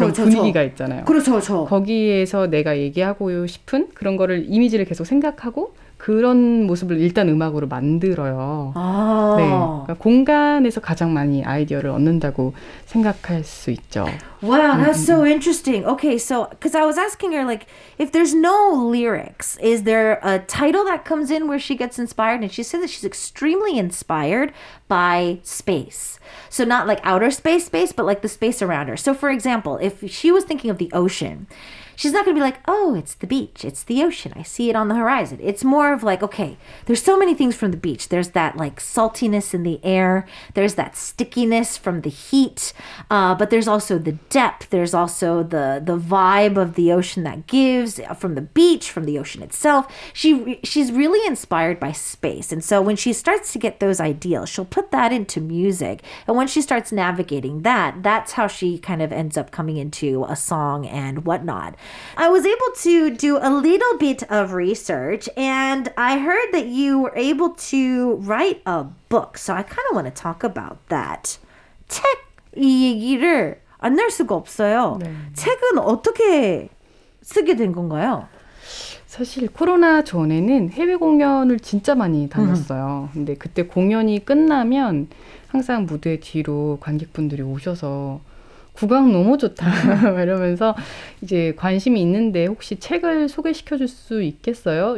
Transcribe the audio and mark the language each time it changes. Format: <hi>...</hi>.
<ko>그런 그렇죠, 분위기가 그렇죠. 있잖아요. 그렇죠, 그렇죠. 거기에서 내가 얘기하고 싶은 그런 거를 이미지를 계속 생각하고 그런 모습을 일단 음악으로 만들어요. 아. 네. 그러니까 공간에서 가장 많이 아이디어를 얻는다고 생각할 수 있죠.</ko> <en>Wow, that's so interesting. Okay, so because I was asking her, like, if there's no lyrics, is there a title that comes in where she gets inspired? And she said that she's extremely inspired by space. So not like outer space space, but like the space around her. So for example, if she was thinking of the ocean, she's not going to be like, oh, it's the beach, it's the ocean, I see it on the horizon. It's more of like, okay, there's so many things from the beach. There's that like saltiness in the air. There's that stickiness from the heat. But there's also the depth. There's also the vibe of the ocean that gives from the beach, from the ocean itself. She's really inspired by space. And so when she starts to get those ideals, she'll put that into music. And when she starts navigating that, that's how she kind of ends up coming into a song and whatnot. I was able to do a little bit of research, and I heard that you were able to write a book. So I kind of want to talk about that.</en> <ko>책 얘기를 안 낼 수가 없어요. 네. 책은 어떻게 쓰게 된 건가요? 사실 코로나 전에는 해외 공연을 진짜 많이 다녔어요. 근데 그때 공연이 끝나면 항상 무대 뒤로 관객분들이 오셔서 구강 너무 좋다 이러면서 이제 관심이 있는데 혹시 책을 소개시켜줄 수 있겠어요?</ko>